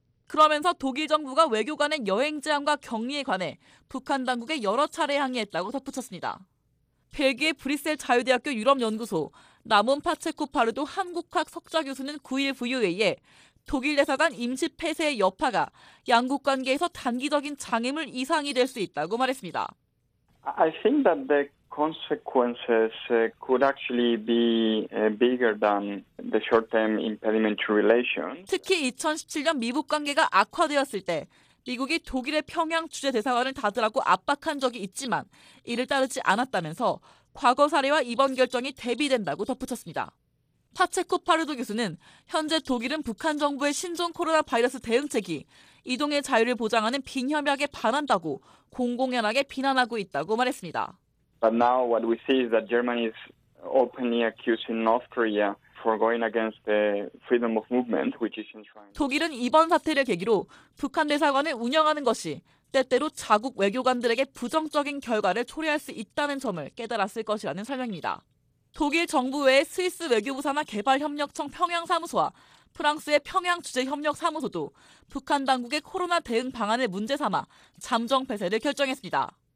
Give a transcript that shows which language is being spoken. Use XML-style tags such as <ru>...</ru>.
<ko>그러면서 독일 정부가 외교관의 여행 제한과 격리에 관해 북한 당국에 여러 차례 항의했다고 덧붙였습니다. 벨기에 브뤼셀 자유대학교 유럽연구소 라몬 파체코파르도 한국학 석좌 교수는 9일 VOA에 독일 대사관 임시 폐쇄의 여파가 양국 관계에서 단기적인 장애물 이상이 될 수 있다고 말했습니다.</ko> <en>I think that the consequences could actually be bigger than the short-term impediment relation.</en> <ko>특히 2017년 미국 관계가 악화되었을 때 미국이 독일의 평양 주재 대사관을 닫으라고 압박한 적이 있지만 이를 따르지 않았다면서 과거 사례와 이번 결정이 대비된다고 덧붙였습니다. 파체코 파르도 교수는 현재 독일은 북한 정부의 신종 코로나 바이러스 대응책이 이동의 자유를 보장하는 빈협약에 반한다고 공공연하게 비난하고 있다고 말했습니다.</ko> <en>But now what we see is that Germany is openly accusing North Korea for going against the freedom of movement, which is enshrined.</en> <ko>독일은 이번 사태를 계기로 북한 대사관을 운영하는 것이 때때로 자국 외교관들에게 부정적인 결과를 초래할 수 있다는 점을 깨달았을 것이라는 설명입니다. 독일 정부 외에 스위스 외교부사나 개발협력청 평양사무소와 프랑스의 평양주재협력사무소도 북한 당국의 코로나 대응 방안을 문제 삼아 잠정 폐쇄를 결정했습니다.</ko>